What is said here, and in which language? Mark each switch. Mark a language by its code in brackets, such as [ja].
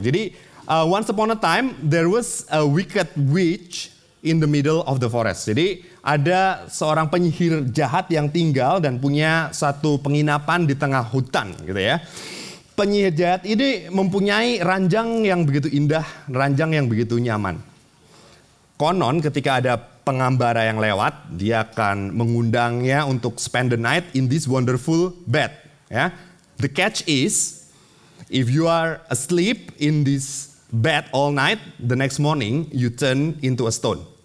[en] Jadi once upon a time there was a wicked witch in the middle of the forest. [id] Jadi ada seorang penyihir jahat yang tinggal dan punya satu penginapan di tengah hutan, gitu ya. Penyihir jahat ini mempunyai ranjang yang begitu indah, ranjang yang begitu nyaman. Konon ketika ada pengembara yang lewat, dia akan mengundangnya untuk [en] spend the night in this wonderful bed. [id] Ya. [en] The catch is, if you are asleep in this bed all night, the next morning you turn into a stone.